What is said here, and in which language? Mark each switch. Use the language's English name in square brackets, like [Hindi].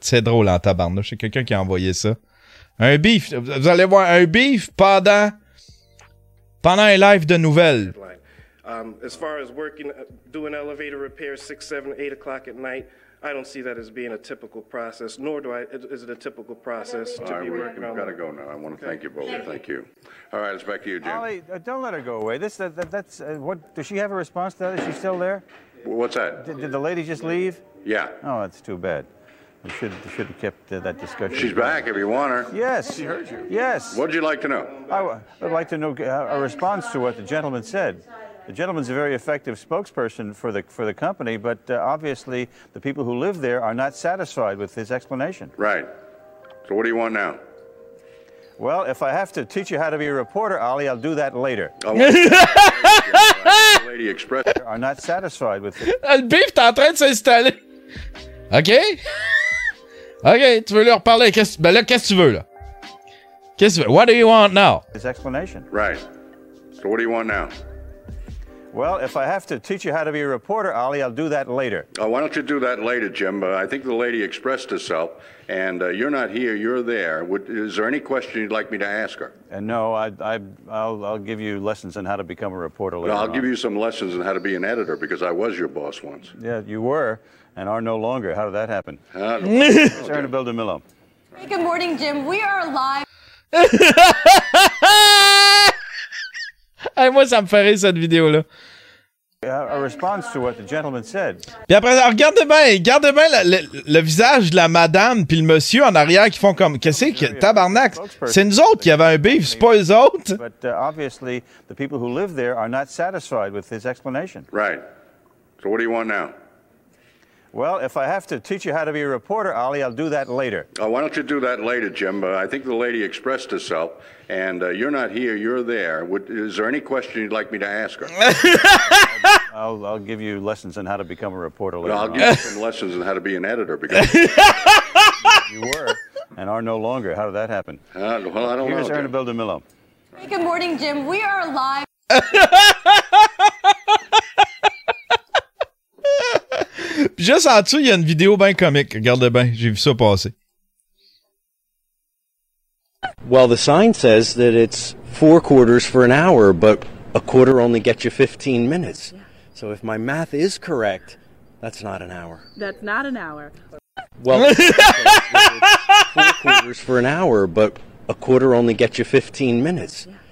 [French] C'est drôle en tabarnouche. C'est quelqu'un qui a envoyé ça. Un beef. Vous allez voir un beef pendant un live de nouvelles. [English] As far as working, doing elevator repairs 6, 7, 8 o'clock at night. I don't see that as being a typical process, nor do I. Is it a typical process to be working on? I've got to go now. I want to thank you both. Thank you. All right, it's back to you, Jim. Ollie, don't let her go away. What does she have a response to that? Is she still there? What's that? Did the lady just leave? Yeah. Oh, that's too bad. We should have kept that discussion. She's back if you want her. Yes. She heard you. Yes. What'd you like to know? I'd like to know a response to what the gentleman said. The gentleman's a very effective spokesperson for the company, but obviously the people who live there are not satisfied with his explanation. Right. So what do you want now? Well, if I have to teach you how to be a reporter, Ollie, I'll do that later. Lady express are not satisfied with. [French] Le beef est en train de s'installer. OK, tu veux leur parler? Qu'est-ce que tu veux? [English] What do you want now? His explanation. Right. So what do you want now? Well, if I have to teach you how to be a reporter, Ollie, I'll do that later. Oh, why don't you do that later, Jim? I think the lady expressed herself, and you're not here, you're there. Is there any question you'd like me to ask her? No, I'll give you lessons on how to become a reporter later. I'll give you some lessons on how to be an editor, because I was your boss once. Yeah, you were, and are no longer. How did that happen? Sarah Nabil DeMillo. Hey, good morning, Jim. We are live. [French] Hey, moi, ça me ferait cette vidéo-là. [English] A response to what the gentleman said. [French] Puis après, regarde bien le visage de la madame puis le monsieur en arrière qui font comme, qu'est-ce que c'est, tabarnak, c'est nous autres qui avons un beef, c'est pas eux autres. [English] But obviously, the people who live there are not satisfied with his explanation. Right. So what do you want now? Well, if I have to teach you how to be a reporter, Ollie, I'll do that later. Oh, why don't you do that later, Jim? I think the lady expressed herself, and you're not here, you're there. Is there any question you'd like me to ask her? I'll give you lessons on how to become a reporter later. I'll give you some lessons on how to be an editor, because you were and are no longer. How did that happen? Well, I don't Here's know. Here's Aaron DeMillo. Hey, good morning, Jim. We are live. [French] Juste en dessous, il y a une vidéo bien comique. Regarde bien, j'ai vu ça passer. [English] Well, the sign says that it's four quarters for an hour, but a quarter only gets you 15 minutes. Yeah. So if my math is correct, that's not an hour. That's not an hour. Well, it's four quarters for an hour, but a quarter only gets you 15 minutes. Yeah.